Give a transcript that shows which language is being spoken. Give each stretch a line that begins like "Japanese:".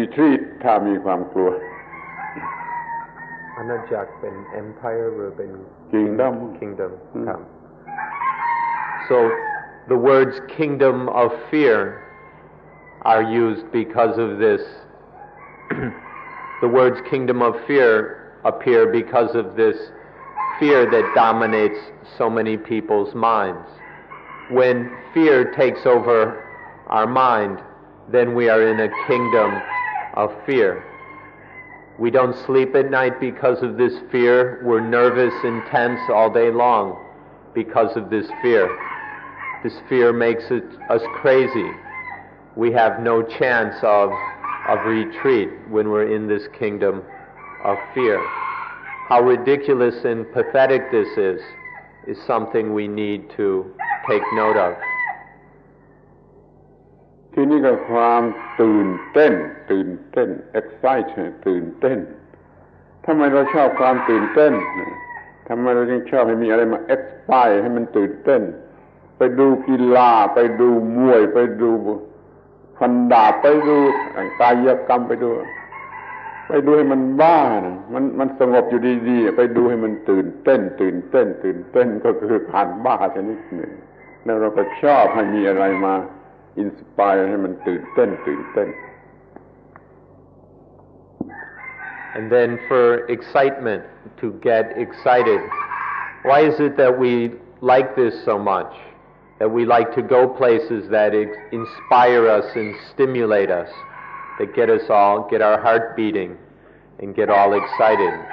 Thai: ทำไมคำว่าอาณาจักรแห่งความกลัวคำพูดคำนี้มันเกิดขึ้นมาได้อาณาจักรแห่งความกลัวมันครอบงำจิตใจคนทุกคนในโลกถ้าเป็นอาณาจักรแห่งความกลัวไม่ไหวมันก็กัดยังกัดไม่มีหยุดไม่มียอมนอนหลับก็ยังกัดไม่รีทรีทถ้ามีความกลัว อาณาจักร เป็น empire หรือ เป็น
English: kingdom mm. So the words kingdom of fear are used because of this. The words kingdom of fear appear because of this fear that dominates so many people's minds. When fear takes over our mind, then we are in a kingdom of fear. We don't sleep at night because of this fear. We're nervous and tense all day long because of this fear. This fear makes us crazy. We have no chance of retreat when we're in this kingdom of fear. How ridiculous and pathetic this is something we need to take note of.
Thai: ที่นี่ก็ความตื่นเต้นตื่นเต้น excitement ตื่นเต้นทำไมเราชอบความตื่นเต้นทำไมเราจึงชอบให้มีอะไรมา excite ให้มันตื่นเต้นไปดูกีฬาไปดูมวยไปดูฟันดาบไปดูกายกรรมไปดู ให้มันบ้านะมันสงบอยู่ดีๆไปดูให้มันตื่นเต้นตื่นเต้นตื่นเต้นก็คือผ่านบ้าชนิดหนึ่งแล้วเราก็ชอบให้มีอะไรมาอินสปายให้มันตื่นเต้นตื่นเต้น
English: and then for excitement to get excited why is it that we like this so much that we like to go places that inspire us and stimulate us that get our heart beating and get all excited.